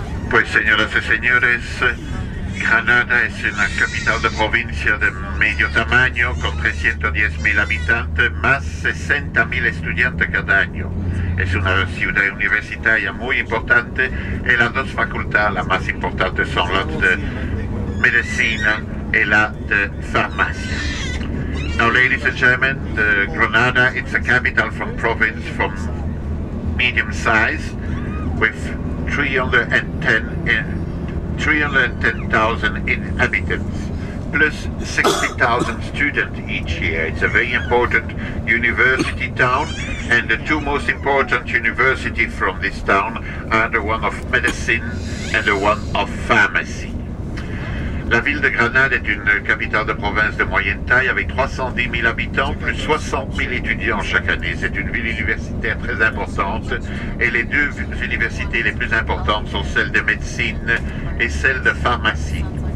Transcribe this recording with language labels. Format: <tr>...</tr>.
<es>Pues señoras y señores, Granada es una capital de provincia de medio tamaño, con 310.000 habitantes, más 60.000 estudiantes cada año. Es una ciudad universitaria muy importante, y las dos facultades, las más importantes, son las de medicina y la de farmacia.</es> <en>Now, ladies and gentlemen, Granada is a capital from province from medium size, with 310,000 inhabitants, plus 60,000 students each year. It's a very important university town, and the two most important universities from this town are the one of medicine and the one of pharmacy.</en> <fr>La ville de Granada est une capitale de province de moyenne taille avec 310 000 habitants, plus 60 000 étudiants chaque année. C'est une ville universitaire très importante et les deux universités les plus importantes sont celles de médecine et celles de pharmacie.</fr>